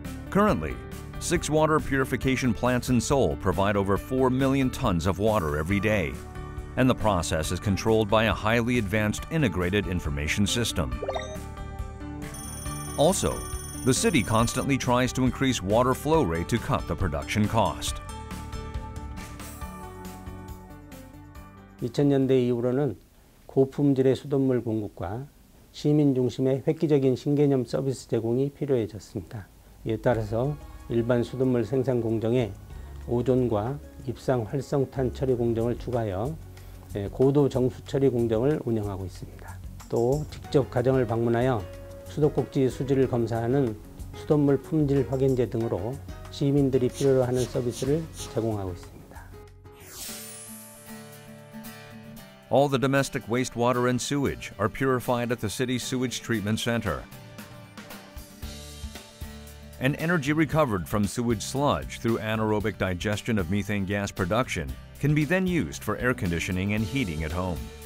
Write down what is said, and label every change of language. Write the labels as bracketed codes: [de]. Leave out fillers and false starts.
[en] Currently, six water purification plants in Seoul provide over 4 million tons of water every day, and the process is controlled by a highly advanced integrated information system. Also, the city constantly tries to increase water flow rate to cut the production cost. [ko] 2000년대 이후로는 고품질의 수돗물 공급과 시민 중심의 획기적인 신개념 서비스 제공이 필요해졌습니다. 이에 따라서 일반 수돗물 생산 공정에 오존과 입상 활성탄 처리 공정을 추가하여 고도 정수 처리 공정을 운영하고 있습니다. 또 직접 가정을 방문하여 수도꼭지 수질을 검사하는 수돗물 품질 확인제 등으로 시민들이 필요로 하는 서비스를 제공하고 있습니다. [en] All the domestic wastewater and sewage are purified at the city's sewage treatment center. And energy recovered from sewage sludge through anaerobic digestion of methane gas production can be then used for air conditioning and heating at home.